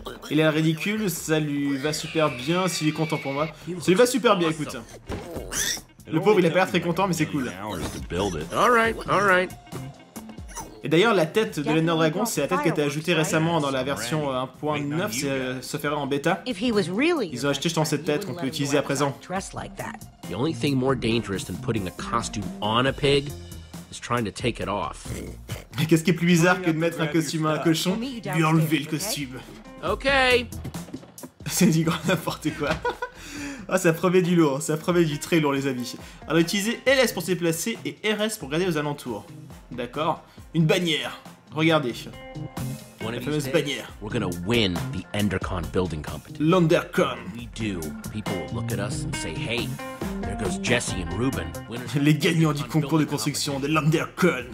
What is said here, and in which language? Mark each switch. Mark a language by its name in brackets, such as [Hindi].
[French] Il est ridicule, ça lui va super bien, s'il est content pour moi. Ça lui va super bien, écoute. Le pauvre, il a pas l'air très content, mais c'est cool. [English] Alright, alright. [French] Et d'ailleurs, la tête de l'Ender Dragon, c'est la tête qui a été ajoutée récemment dans la version 1.9, c'est sauf erreur en bêta. Ils ont acheté justement cette tête qu'on peut utiliser à présent. [English] The only thing more dangerous than putting a costume on a pig is trying to take it off. [French] Mais qu'est-ce qui est plus bizarre que de mettre un costume à un cochon? Lui enlever le costume. Ok. C'est du grand n'importe quoi. Ah, ça promet du lourd, ça promet du très lourd, les amis. Alors, utilisez LS pour se déplacer et RS pour regarder aux alentours. D'accord. Une bannière. Regardez. [English] One [French] la fameuse [English] days, [French] bannière. [English] We're gonna win the Endercon building competition. [French] L'Endercon. [English] We do. People will look at us and say, hey, there goes Jesse and Ruben. [French] Les gagnants du concours de construction de l'Endercon.